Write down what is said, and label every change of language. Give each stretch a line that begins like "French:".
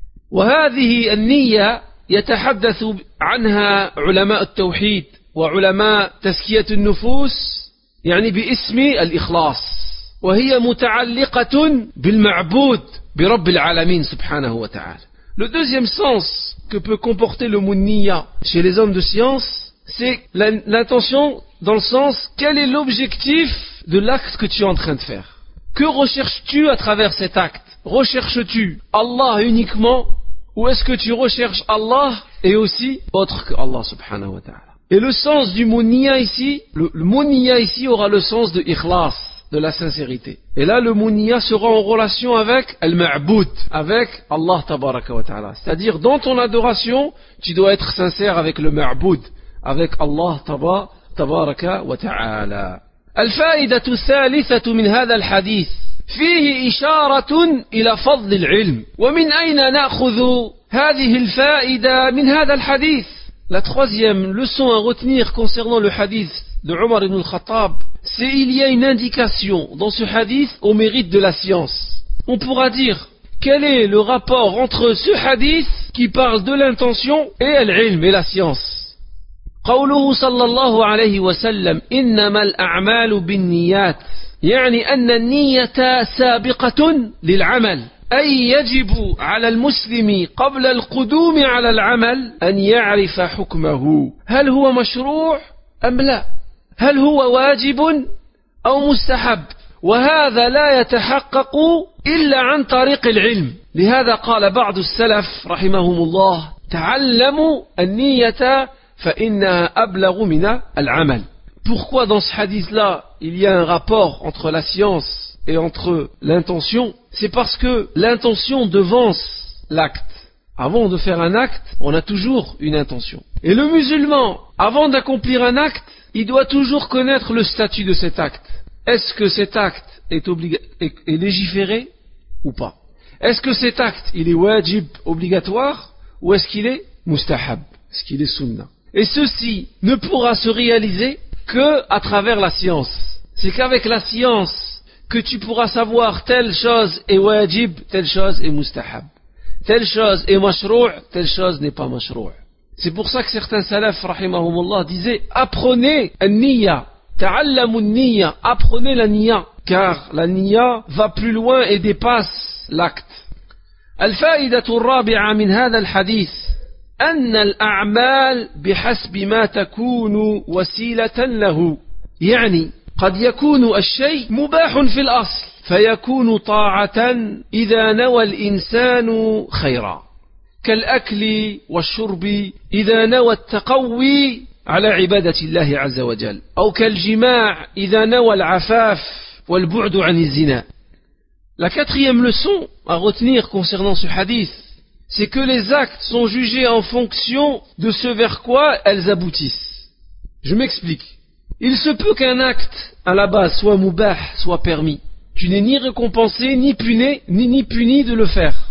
Arabic: Wa hadhihi an-niyya يتحدث عنها علماء التوحيد وعلماء تزكية النفوس يعني باسم الإخلاص وهي متعلقة بالمعبود برب العالمين سبحانه وتعالى.
French: Le deuxième sens que peut comporter le mot niya chez les hommes de science, c'est l'intention dans le sens quel est l'objectif de l'acte que tu es en train de faire. Que recherches-tu à travers cet acte? recherches-tu Allah uniquement ou est-ce que tu recherches Allah et aussi autre que Allah subhanahu wa ta'ala? Et le sens du mot niya ici, le mot niya ici aura le sens de ikhlas, de la sincérité. Et là, le mot niya sera en relation avec al-ma'bud, avec Allah tabaraka wa ta'ala. C'est-à-dire, dans ton adoration, tu dois être sincère avec le ma'bud, avec Allah tabaraka wa ta'ala.
Arabic: الفائدة الثالثة من هذا الحديث فيه إشارة إلى فضل العلم ومن أين نأخذ هذه الفائدة من هذا الحديث.
French: La troisième leçon à retenir concernant le hadith de Omar ibn al-Khattab, c'est qu'il y a une indication dans ce hadith au mérite de la science. On pourra dire, quel est le rapport entre ce hadith qui parle de l'intention et l'ilm et la science?
Arabic: قوله صلى الله عليه وسلم إنما الأعمال بالنيات يعني أن النية سابقة للعمل أي يجب على المسلم قبل القدوم على العمل أن يعرف حكمه هل هو مشروع أم لا هل هو واجب أو مستحب وهذا لا يتحقق إلا عن طريق العلم لهذا قال بعض السلف رحمهم الله تعلموا النية فَإِنَّا أَبْلَغُ مِنَا الْعَمَلِ.
French: Pourquoi dans ce hadith-là, il y a un rapport entre la science et entre l'intention? C'est parce que l'intention devance l'acte. Avant de faire un acte, on a toujours une intention. Et le musulman, avant d'accomplir un acte, il doit toujours connaître le statut de cet acte. Est-ce que cet acte est légiféré ou pas? Est-ce que cet acte, il est wajib, obligatoire, ou est-ce qu'il est mustahab, est-ce qu'il est sunna? Et ceci ne pourra se réaliser que à travers la science. C'est qu'avec la science que tu pourras savoir telle chose est wajib, telle chose est mustahab. Telle chose est mashrou', telle chose n'est pas mashrou'. C'est pour ça que certains salafs, rahimahumullah, disaient « Apprenez al-niyya, ta'allamu al-niyya, apprenez la niyya, car la niyya va plus loin et dépasse l'acte. »
Arabic: Al-fa'idatu al-rabi'a min hadha al-hadith. أن الأعمال بحسب ما تكون وسيلة له يعني قد يكون الشيء مباح في الأصل فيكون طاعة إذا نوى الإنسان خيرا كالأكل والشرب إذا نوى التقوي على عبادة الله عز وجل أو كالجماع إذا نوى العفاف والبعد عن الزنا.
French: La quatrième leçon à retenir concernant ce hadith, c'est que les actes sont jugés en fonction de ce vers quoi elles aboutissent. Je m'explique. Il se peut qu'un acte, à la base, soit mubah, soit permis. Tu n'es ni récompensé, ni puni de le faire.